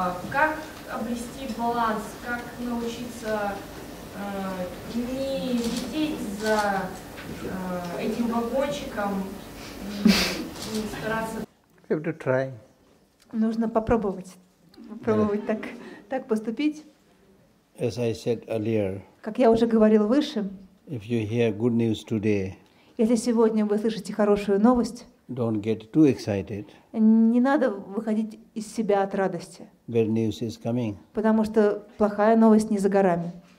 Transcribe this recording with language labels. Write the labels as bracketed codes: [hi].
[ru] Как обрести баланс, как научиться не лететь за этим вагончиком и не стараться. [en] You have to try. [ru] Нужно попробовать [en] yeah. [ru] так поступить. [en] As I said earlier. [ru] Как я уже говорил выше. [en] If you hear good news today. [ru] Если сегодня вы слышите хорошую новость. [en] Don't get too excited. [ru] Не надо выходить из себя от радости. [en] Bad news is coming. [ru] Потому что плохая новость не за горами.